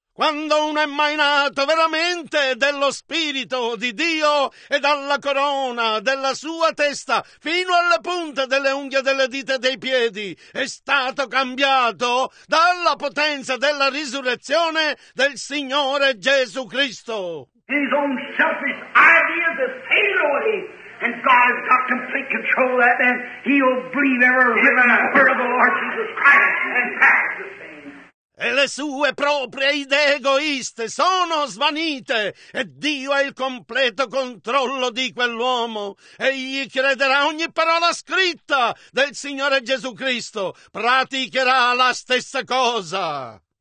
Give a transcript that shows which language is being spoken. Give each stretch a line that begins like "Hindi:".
Italian: Quando uno è mai nato veramente dello Spirito di Dio e dalla corona della sua testa fino alle punte delle unghie delle dita dei piedi, è stato cambiato dalla potenza della risurrezione del Signore Gesù Cristo.
English: His own selfish ideas have faded away, and God has got complete control of that, and he'll believe every written word of the Lord Jesus Christ and practice the same.
Italian: E le sue proprie idee egoiste sono svanite e Dio ha il completo controllo di quell'uomo. Egli crederà ogni parola scritta del Signore Gesù Cristo, praticherà la stessa cosa.